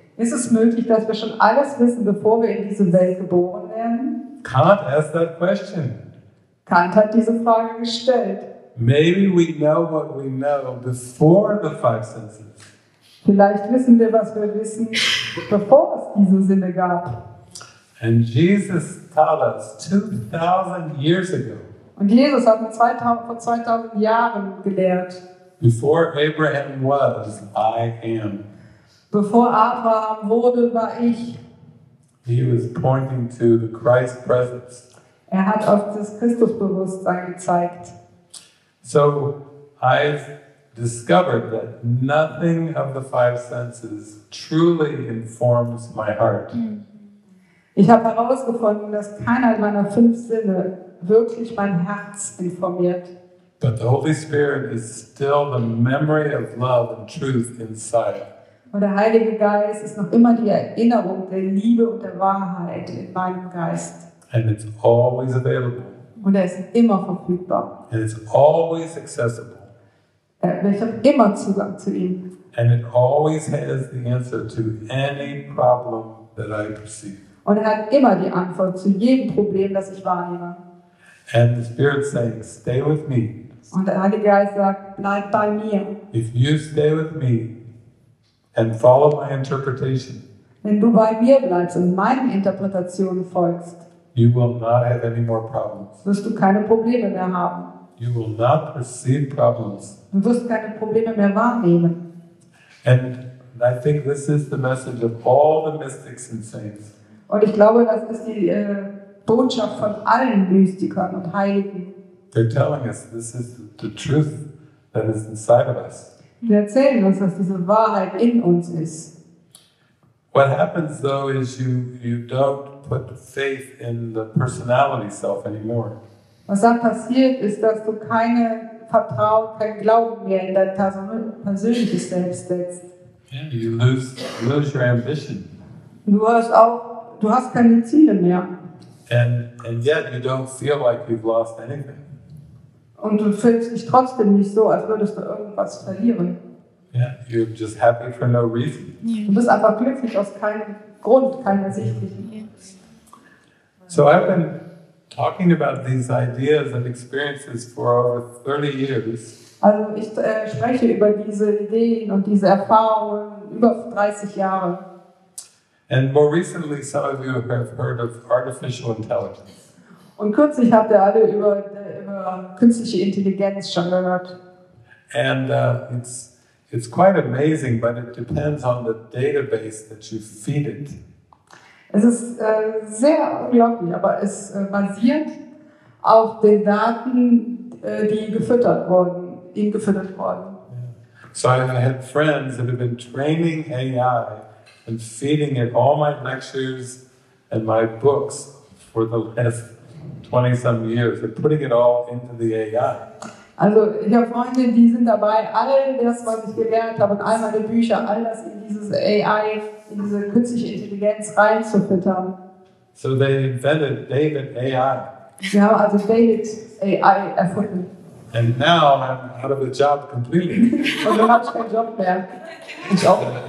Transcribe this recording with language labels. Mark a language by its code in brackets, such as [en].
[de] Ist es möglich, dass wir schon alles wissen, bevor wir in diese Welt geboren werden? [en] Kant asked that question. [de] Kant hat diese Frage gestellt. [en] Maybe we know what we know before the five senses. [de] Vielleicht wissen wir, was wir wissen, bevor es diese Sinne gab. [en] And Jesus taught us 2,000 years ago. [de] Und Jesus hat uns vor 2000 Jahren gelehrt. [en] Before Abraham was, I am. [de] Bevor Abraham wurde, war ich. [en] He was pointing to the Christ presence. [de] Er hat auf das Christusbewusstsein gezeigt. [en] So I've discovered that nothing of the five senses truly informs my heart. [de] Ich habe herausgefunden, dass keiner meiner fünf Sinne wirklich mein Herz informiert. [en] But the Holy Spirit is still the memory of love and truth inside. [de] Und der Heilige Geist ist noch immer die Erinnerung der Liebe und der Wahrheit in meinem Geist. [en] And it's always available. [de] Und er ist immer verfügbar. [en] And it's always accessible. [de] Ich habe immer Zugang zu ihm. [en] And it always has the answer to any problem that I perceive. [de] Und er hat immer die Antwort zu jedem Problem, das ich wahrnehme. [en] And the Spirit saying, stay with me. [de] Und der Heilige Geist sagt, bleib bei mir. [en] If you stay with me and follow my interpretation, [de] wenn du bei mir bleibst und meinen Interpretationen folgst, [en] you will not have any more problems. [de] Wirst du keine Probleme mehr haben. [en] You will not perceive problems. [de] Du wirst keine Probleme mehr wahrnehmen. [en] And I think this is the message of all the mystics and saints. [de] Und ich glaube, das ist die Botschaft von allen Mystikern und Heiligen. [en] They're telling us this is the truth that is inside of us. [de] Sie erzählen uns, dass diese Wahrheit in uns ist. [en] What happens though is you don't put faith in the personality self anymore. [de] Was dann passiert, ist, dass du keine Vertrauen, kein Glauben mehr in dein persönliches Selbst setzt. [en] Yeah, you lose your ambition. [de] Du hast keine Ziele mehr. [en] And yet you don't feel like you've lost anything. [de] Und du fühlst dich trotzdem nicht so, als würdest du irgendwas verlieren. [en] Yeah, you're just happy for no reason. [de] Du bist einfach glücklich aus keinem Grund, keiner sichtlichen. [en] So I've been talking about these ideas and experiences for over 30 years. [de] Also ich spreche über diese Ideen und diese Erfahrungen über 30 Jahre. [en] And more recently, some of you have heard of artificial intelligence. [de] Und kürzlich habt ihr alle über künstliche Intelligenz schon gehört. [en] And it's quite amazing, but it depends on the database that you feed it. [de] Es ist sehr unglaublich, aber es basiert auf den Daten, die ihnen gefüttert worden. [en] Yeah. So I had friends that have been training AI and feeding it all my lectures and my books for the last 20 some years. They're putting it all into the AI. [de] Also, ich habe Freunde, die sind dabei, all das, was ich gelernt habe und all meine Bücher, all das in dieses AI, in diese künstliche Intelligenz reinzufüttern. [en] So they invented David AI. [de] Sie haben also David AI erfunden. [en] And now I'm out of a job completely. [de] Und du hast keinen Job mehr. Ich auch.